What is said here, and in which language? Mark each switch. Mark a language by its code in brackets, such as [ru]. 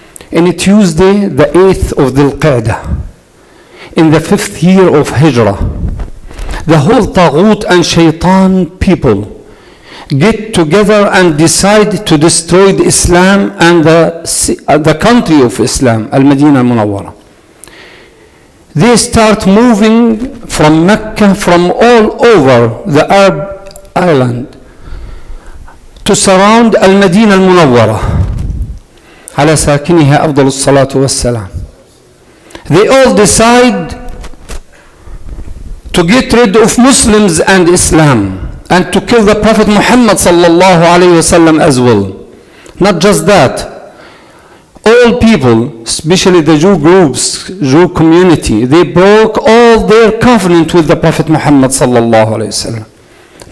[en] In Tuesday, the 8th of Dhul Qa'dah, in the 5th year of Hijrah, the whole Taghut and Shaitan people get together and decide to destroy the Islam and the country of Islam, Al-Madinah Munawwara. They start moving from Mecca, from all over the Arab island, to surround Al-Madinah Al-Munawwara. [ar] على ساكنها أفضل الصلاة والسلام. [en] They all decide to get rid of Muslims and Islam and to kill the Prophet Muhammad [ar] صلى الله عليه وسلم [en] as well. Not just that. All people, especially the Jew groups, Jew community, they broke all their covenant with the Prophet Muhammad sallallahu alaihi wasallam.